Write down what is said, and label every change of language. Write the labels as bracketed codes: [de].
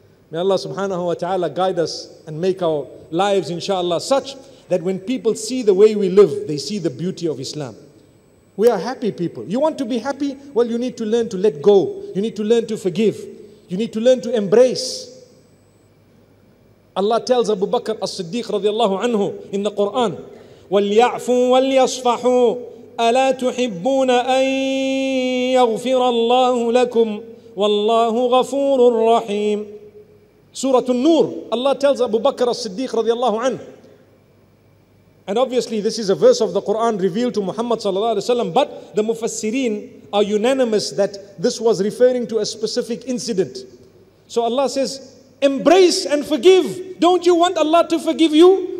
[en] May Allah subhanahu wa ta'ala guide us and make our lives, inshallah, such that when people see the way we live, they see the beauty of Islam. We are happy people. You want to be happy? Well, you need to learn to let go. You need to learn to forgive. You need to learn to embrace. Allah tells Abu Bakr as-Siddiq radiallahu anhu in the Quran, [ar] وَلْيَعْفُوا وَلْيَصْفَحُوا أَلَا تُحِبُّونَ أَن يَغْفِرَ اللَّهُ لَكُمْ وَاللَّهُ غَفُورٌ رَّحِيمٌ. [en] Surah An-Nur, Allah tells Abu Bakr as-Siddiq radiallahu anhu. And obviously this is a verse of the Quran revealed to Muhammad sallallahu alaihi wasallam, but the Mufassireen are unanimous that this was referring to a specific incident. So Allah says, embrace and forgive. Don't you want Allah to forgive you?